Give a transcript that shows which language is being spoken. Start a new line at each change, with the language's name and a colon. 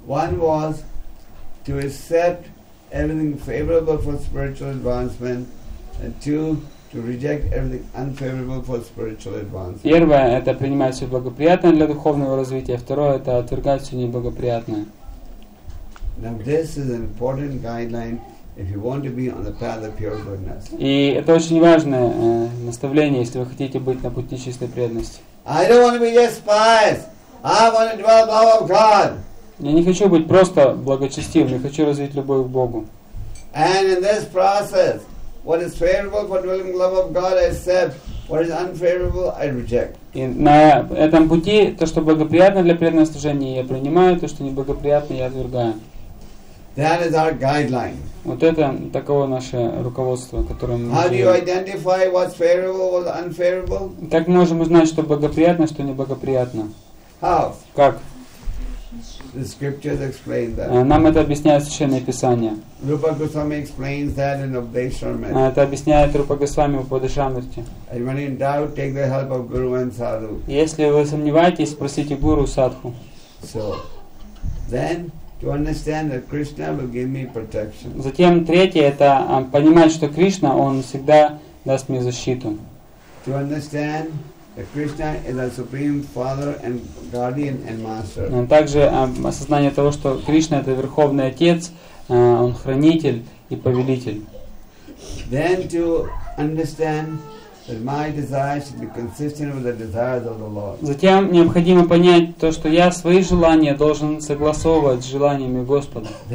English: One was to accept everything favorable for spiritual advancement, and two, to reject everything unfavorable for spiritual advancement.
Russian: Первое – это принимать все благоприятное для духовного развития. Второе – это отвергать все неблагоприятное.
English: Now this is an important guideline if you want to be on the path of pure goodness.
Russian: И это очень важное наставление, если вы хотите быть на пути чистой преданности.
English: I don't want to be just pious. I want to dwell love of God.
Russian: Я не хочу быть просто благочестивым. Я хочу развить любовь к Богу.
English: And in this process, what is favorable for dwelling love of God, I accept. What is unfavorable, I reject.
Russian: И на этом пути то, что благоприятно для преданного служения, я принимаю, то, что неблагоприятно, я отвергаю.
English: That is our guideline.
Russian: Вот это таково наше руководство, которое мы.
English: How do you identify what's favorable, what's unfavorable?
Russian: Как мы можем узнать, что благоприятно, что неблагоприятно?
English: How?
Russian: Как?
English: The scriptures explain that.
Russian: Нам это объясняет Священное Писание.
English: Rupa Goswami explains that in Upadeshamrita.
Russian: Это объясняет Рупа Госвами в Упадешамрите.
English: And when in doubt, take the help of Guru and Sadhu.
Russian: Если вы сомневаетесь, спросите Гуру Садху.
English: So, then to understand that Krishna will give me protection.
Russian: Затем третье это понимать, что Кришна он всегда даст мне защиту.
English: To understand that Krishna is our supreme father and guardian and master.
Russian: Также осознание того, что Кришна это верховный отец, он хранитель и повелитель.
English: Then to understand that my desires should be consistent with the desires of the Lord.
Russian: Затем необходимо понять то, что я свои желания должен согласовывать с желаниями Господа.